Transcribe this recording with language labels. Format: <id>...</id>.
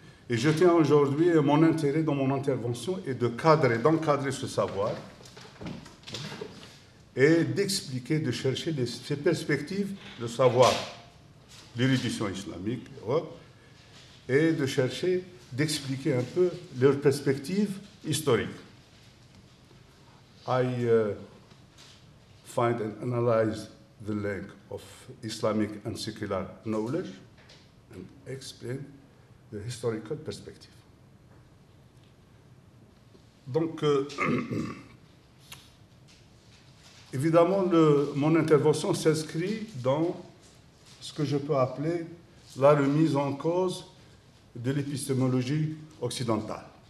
<fr>Et je tiens aujourd'hui, mon intérêt dans mon intervention est de cadrer, d'encadrer ce savoir et d'expliquer, de chercher ces perspectives de savoir l'érudition islamique et de chercher d'expliquer un peu leurs perspectives historiques.</fr> <en>I find and analyze the link of Islamic and secular knowledge and explain the historical perspective.</en> <fr>Donc, évidemment, mon intervention s'inscrit dans ce que je peux appeler la remise en cause de l'épistémologie occidentale.</fr>